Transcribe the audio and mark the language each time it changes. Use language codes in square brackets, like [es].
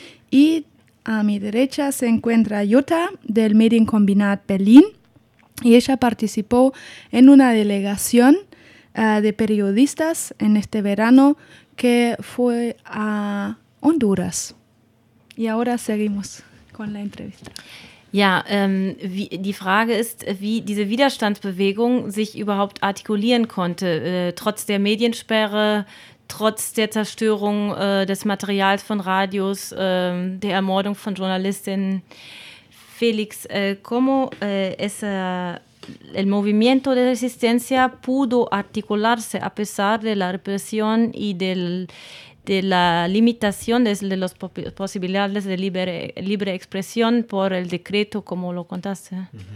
[es] Y a mi derecha se encuentra Jutta del Medienkombinat Berlin, y ella participó en una delegación de periodistas en este verano que fue a Honduras. Y ahora seguimos con la entrevista. [de] Ja, die Frage ist, wie diese Widerstandsbewegung sich überhaupt artikulieren konnte, trotz der Mediensperre, trotz der Zerstörung des Materials von Radios, der Ermordung von Journalistinnen. [es] Felix, ¿cómo el movimiento de resistencia pudo articularse a pesar de la represión y de la limitación de las posibilidades de libre expresión por el decreto, como lo contaste?